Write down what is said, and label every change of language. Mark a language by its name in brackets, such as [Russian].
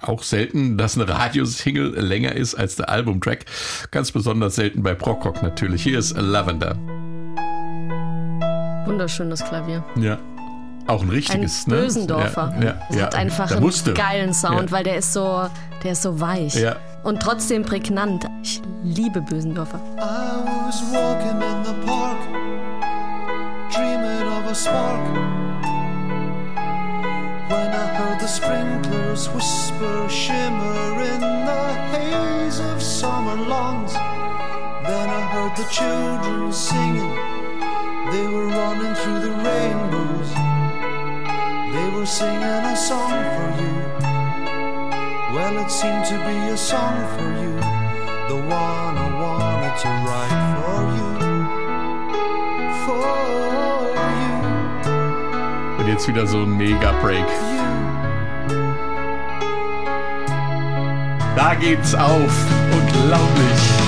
[German] Auch selten, dass eine Radiosingle länger ist als der Albumtrack. Ganz besonders selten bei Prog-Rock natürlich. Hier ist Lavender. Wunderschönes Klavier. Ja. Auch ein richtiges, ein Bösendorfer. Ne? Ja, hat einfach einen geilen Sound, weil der ist so weich. Ja. Und trotzdem prägnant. Ich liebe Bösendorfer. [English] I was walking in the park, dreaming of a spark. When I heard the sprinklers whisper, shimmer in the haze of summer lawns. Then I heard the children singing. They were running through the rainbows. They were singing a song for you. Well, it seemed to be a song for you, the one I wanted to write for you. For you. [German] Und jetzt wieder so ein Mega-Break. Da geht's auf, unglaublich.